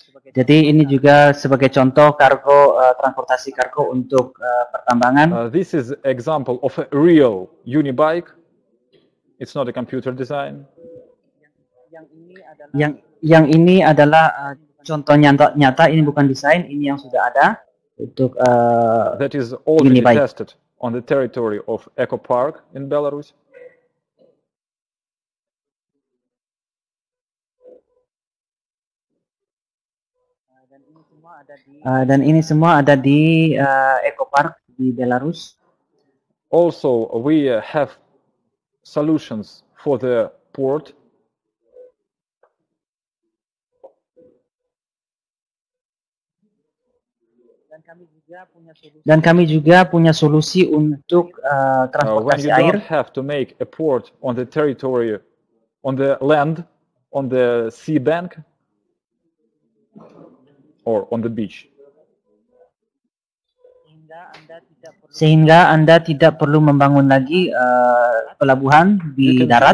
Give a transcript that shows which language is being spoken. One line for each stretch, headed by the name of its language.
Indonesian: Jadi ini juga sebagai contoh kargo transportasi kargo untuk pertambangan.
English: This is example of a real unibike. It's not a computer design.
Indonesian: Yang ini adalah contoh nyata, ini bukan desain, ini yang sudah ada untuk
English: that is already tested on the territory of Eco Park in Belarus.
Indonesian: Dan ini semua ada di Eco Park di Belarus.
English: Also, we have solutions for the port.
Indonesian: Dan kami juga punya solusi untuk transportasi
English: when you
Indonesian: air.
English: Don't have to make a port on the territory, on the land, on the sea bank, or on the beach.
Indonesian: Sehingga Anda tidak perlu membangun lagi pelabuhan di darat.